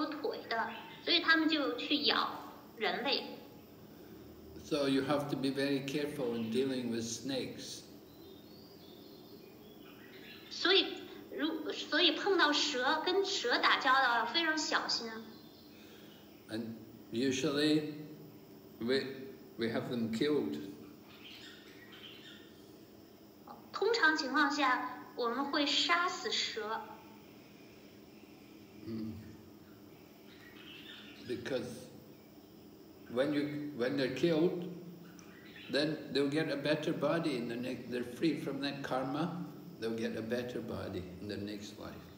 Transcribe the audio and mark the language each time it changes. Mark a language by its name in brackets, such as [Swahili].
[Chinese] 蛇类他们是嫉妒心很重，因为他们没有腿，而那个人类是有腿的，所以他们就去咬人类。 [English] So you have to be very careful in dealing with snakes. [Chinese] 所以碰到蛇跟蛇打交道要非常小心。 [English] And usually we have them killed. [Chinese] 通常情况下，我们会杀死蛇。 [English] Because when they're killed, then they'll get a better body in the next. They're free from that karma. They'll get a better body in the next life.